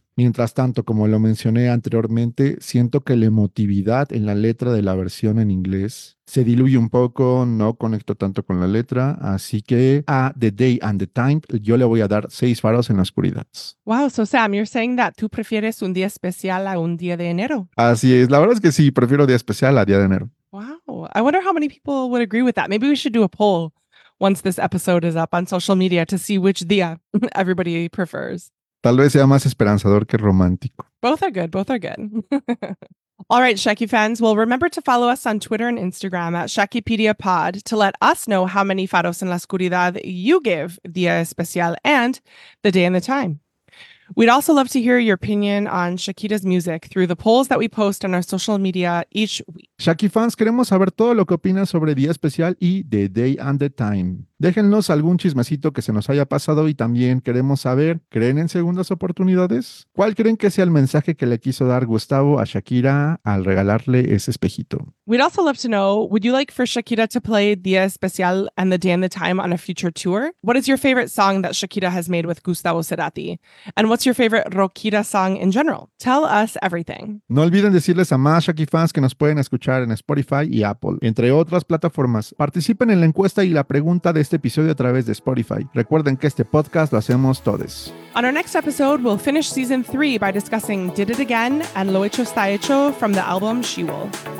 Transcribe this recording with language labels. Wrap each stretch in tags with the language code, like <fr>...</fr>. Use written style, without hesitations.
<es>Mientras tanto, como lo mencioné anteriormente, siento que la emotividad en la letra de la versión en inglés se diluye un poco, no conecto tanto con la letra, así que a The Day and the Time yo le voy a dar 6 faros en la oscuridad.</es> <en>Wow, so Sam, you're saying that</en> <es>tú prefieres un día especial a un día de enero. Así es, la verdad es que sí, prefiero día especial a día de enero.</es> <en>Wow, I wonder how many people would agree with that. Maybe we should do a poll once this episode is up on social media to see which día everybody prefers.</en> <es>Tal vez sea más esperanzador que romántico.</es> <en>Both are good. Both are good. All right, Shecky fans. Well, remember to follow us on Twitter and Instagram at Shakipedia Pod to let us know how many</en> <es>faros en la oscuridad</es> <en>you give Día Especial and the day and the time. We'd also love to hear your opinion on Shakira's music through the polls that we post on our social media each week.</en> <es>Shaki fans, queremos saber todo lo que opinas sobre Día Especial y The Day and the Time. Déjenos algún chismecito que se nos haya pasado y también queremos saber, ¿creen en segundas oportunidades? ¿Cuál creen que sea el mensaje que le quiso dar Gustavo a Shakira al regalarle ese espejito?</es> <en>We'd also love to know, would you like for Shakira to play Día Especial and The Day and the Time on a future tour? What is your favorite song that Shakira has made with Gustavo Cerati? And what's your favorite Rockira song in general? Tell us everything.</en> <es>No olviden decirles a más Shaki fans que nos pueden escuchar en Spotify y Apple, entre otras plataformas. Participen en la encuesta y la pregunta de este episodio a través de Spotify. Recuerden que este podcast lo hacemos todos.</es> <en>On our next episode, we'll finish season 3 by discussing Did It Again and Lo Hecho Está Hecho from the album She Will.</en>